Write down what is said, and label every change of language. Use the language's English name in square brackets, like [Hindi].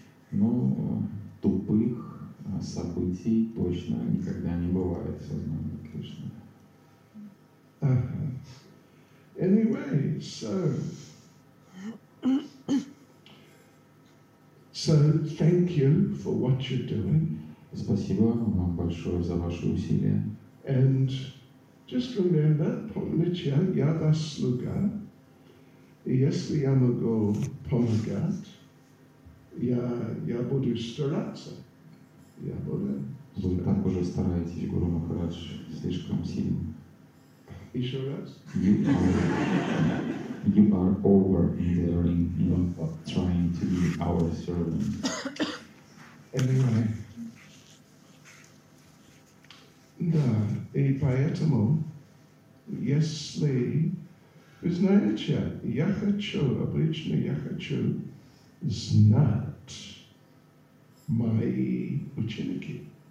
[Russian] Но тупых событий точно никогда не бывает в сознании Кришны. [English] Anyway, so thank you for what you're doing. [Russian] Спасибо вам большое за ваши усилия. [English] And just remember, [Russian] помните, я ваш слуга. И если я могу помогать, я буду стараться. Я буду стараться. Вы так уже стараетесь, Гуру Махарадж, слишком сильно. Еще раз. [English] You are over enduring, trying to be our servant. Anyway. [Russian] Да, и поэтому, если, вы знаете, я хочу, обычно я хочу знать мои ученики.